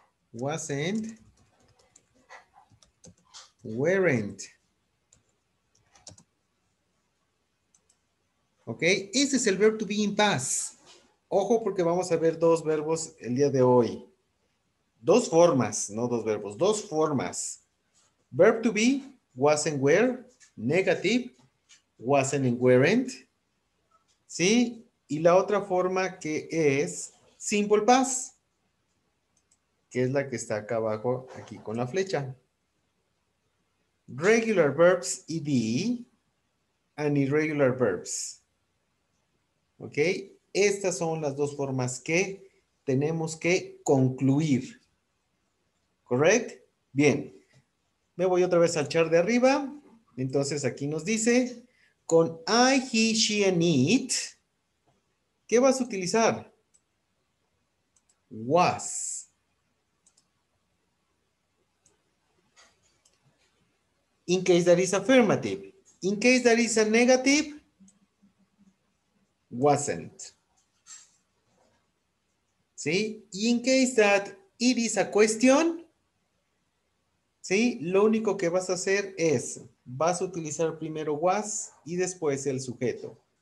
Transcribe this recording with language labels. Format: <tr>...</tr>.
<en>Wasn't, weren't.</en> <es>Ok, ese es el verbo</es> <en>to be in past.</en> <es>Ojo porque vamos a ver dos verbos el día de hoy. Dos formas, no dos verbos, dos formas.</es> <en>Verb to be, wasn't, were, negative, wasn't and weren't. ¿Sí?</en> <es>Y la otra forma que es simple pass, que es la que está acá abajo, aquí con la flecha.</es> <en>Regular verbs ED and irregular verbs. ¿Ok?</en> <es>Estas son las dos formas que tenemos que concluir. ¿Correct? Bien. Me voy otra vez al chart de arriba. Entonces aquí nos dice, con</es> <en>I, he, she, and it,</en> <es>¿qué vas a utilizar?</es> <en>Was. In case that is affirmative. In case that is a negative, wasn't.</en> <es>¿Sí?</es> <en>Y in case that it is a question, ¿sí?</en> <es>Lo único que vas a hacer es, vas a utilizar primero was y después el sujeto.</es>